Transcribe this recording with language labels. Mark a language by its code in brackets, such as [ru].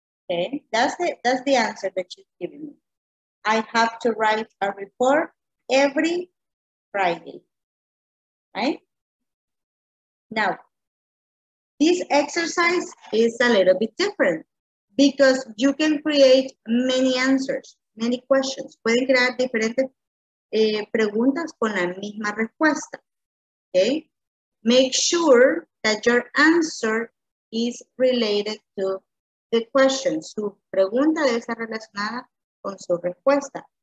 [en] Okay, that's the answer that she's giving me. I have to write a report every Friday, right? Now, this exercise is a little bit different because you can create many answers. Many questions. [es] Pueden crear diferentes preguntas con la misma respuesta. [en] Okay? Make sure that your answer is related to the question. [es] Su pregunta debe estar relacionada con su respuesta.